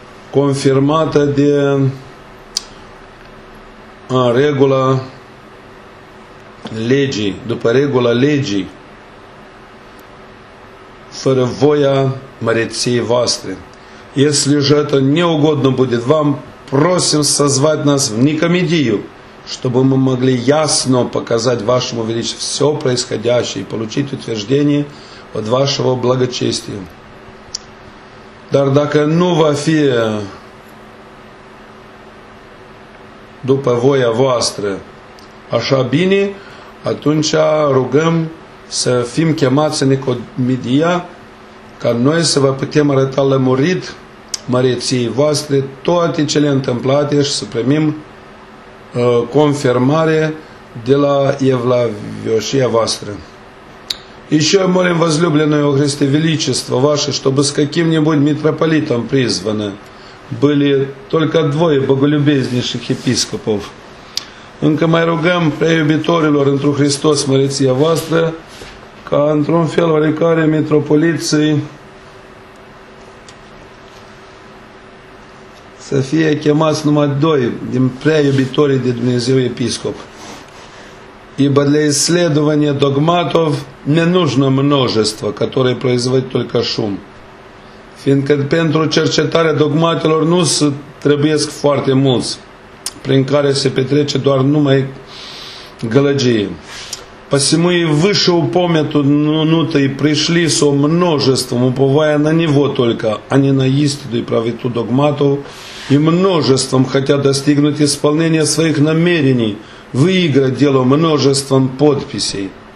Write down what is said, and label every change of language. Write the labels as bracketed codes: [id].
[ro] confirmată de regula legii, după regula legii, fără voia măreției voastre. [ru] Если же это неугодно будет вам, просим созвать нас в Никомедию, чтобы мы могли ясно показать вашему величию все происходящее и получить утверждение от вашего благочестия. [ro] Dar dacă nu va fi după voia voastră așa bine, atunci rugăm să fim chemați în Nicomedia ca noi să vă putem arăta lămurit măreției voastre toate cele întâmplate și să primim confirmare de la evlavioșia voastră. [ru] Еще молим возлюбленную о Христе Величество Ваше, чтобы с каким-нибудь митрополитом призваны были только двое боголюбезнейших епископов. [ro] Încă mai rugăm preiubitorilor întru Hristos, măreția voastră, ca într-un fel oricare mitropoliții să fie chemați numai doi din preiubitorii de Dumnezeu episcop. [ru] Ибо для исследования догматов не нужно множество, которое производит только шум. [ro] Fiindcă pentru cercetarea dogmatelor nu se trebuiesc foarte mulți, prin care se petrece doar numai gălăgie. [ru] Посему и выше упомянутые пришли со множеством, уповая на него только, а не на истину и правоту догматов, и множеством, хотя достигнуть исполнения своих намерений, выиграть дело множеством подписей.